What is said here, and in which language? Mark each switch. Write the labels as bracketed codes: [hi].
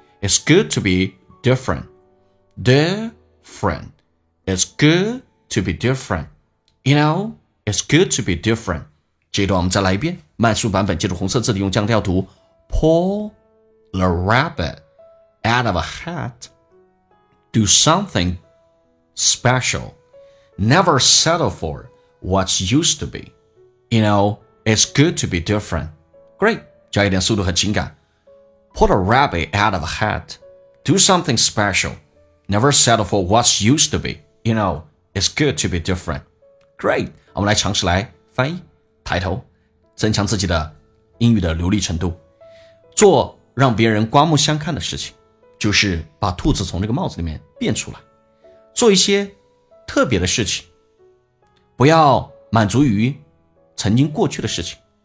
[en] It's good to be different. Different. It's good to be different. You know, it's good to be different. [zh] 这段我们再来一遍，慢速版本，记住红色字体用降调读 [en] Pull a rabbit out of a hat. Do something special. Never settle for what's used to be. You know, it's good to be different. Great, [zh] 加一点速度和情感 [en] Pull a rabbit out of a hat. Do something special. Never settle for what's used to be. You know, it's good to be different. [zh] Great, 我们来尝试来翻译抬头，增强自己的英语的流利程度，做让别人刮目相看的事情，就是把兔子从这个帽子里面变出来，做一些特别的事情，不要满足于曾经过去的事情。